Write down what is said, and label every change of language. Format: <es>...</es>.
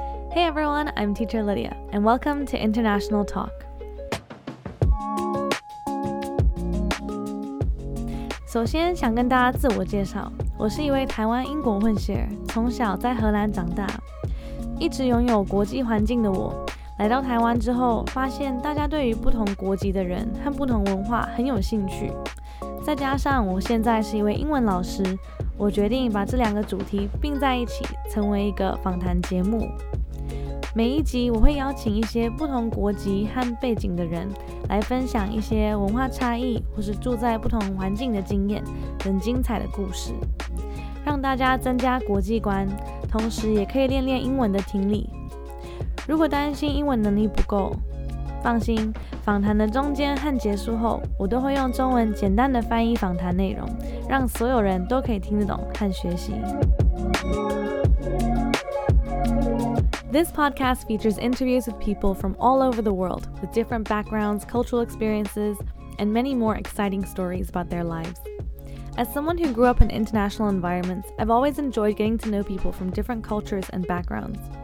<en>Hey everyone, I'm Teacher Lydia, and welcome to International Talk.</en> <zh>首先想跟大家自我介绍，我是一位台湾英国混血儿，从小在荷兰长大，一直拥有国际环境的我，来到台湾之后，发现大家对于不同国籍的人和不同文化很有兴趣。再加上我现在是一位英文老师，我决定把这两个主题并在一起，成为一个访谈节目。每一集我会邀请一些不同国籍和背景的人，来分享一些文化差异或是住在不同环境的经验等精彩的故事，让大家增加国际观，同时也可以练练英文的听力。如果担心英文能力不够，放心，访谈的中间和结束后，我都会用中文简单的翻译访谈内容，让所有人都可以听得懂和学习。</zh> <en>This podcast features interviews with people from all over the world, with different backgrounds, cultural experiences, and many more exciting stories about their lives. As someone who grew up in international environments, I've always enjoyed getting to know people from different cultures and backgrounds.</en>